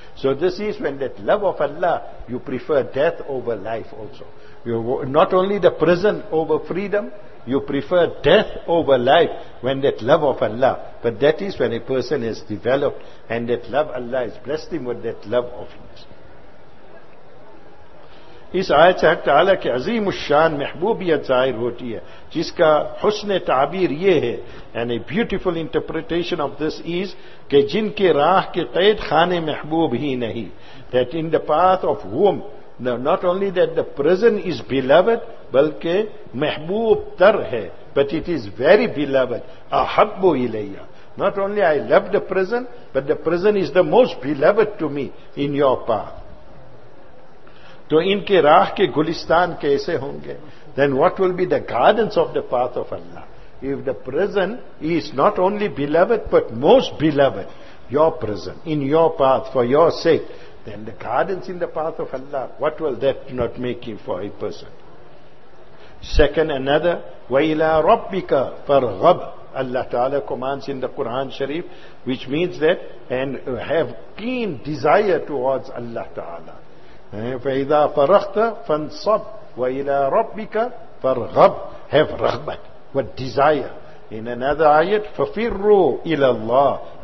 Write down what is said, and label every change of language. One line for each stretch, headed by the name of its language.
English: So this is when that love of Allah, you prefer death over life also. You, not only the prison over freedom, you prefer death over life when that love of Allah. But that is when a person has developed, and that love, Allah has blessed him with that love of his.
Urdu: اس آیت سے حق تعالیٰ کے عظیم الشان محبوبیت ظاہر ہوتی ہے جس کا حسن تعبیر یہ ہے.
English: And a beautiful interpretation of this is
Urdu: کہ جن کے راہ کے قید خانے محبوب ہی نہیں.
English: That in the path of whom, not only that the prison is beloved,
Urdu: بلکہ محبوب تر ہے.
English: But it is very beloved.
Arabic: احبو الیہ.
English: Not only I love the prison, but the prison is the most beloved to me in your path.
Urdu: تو ان کے راہ کے گلستان کیسے ہوں گے؟
English: Then what will be the gardens of the path of Allah? If the prison is not only beloved but most beloved, your prison, in your path, for your sake, then the gardens in the path of Allah, what will that not make him for a person? Second, another,
Arabic: وَإِلَىٰ رَبِّكَ فَرْغَبْ.
English: Allah Ta'ala commands in the Quran Sharif, which means that, and have keen desire towards Allah Ta'ala.
Arabic: فَإِذَا فَرَغْتَ فَانْصَبْ وَإِلَىٰ رَبِّكَ فَرْغَبْ.
English: Have رَغْبَةً, what desire. In another ayat,
Arabic: فَفِرُّوا إِلَى اللَّهِ.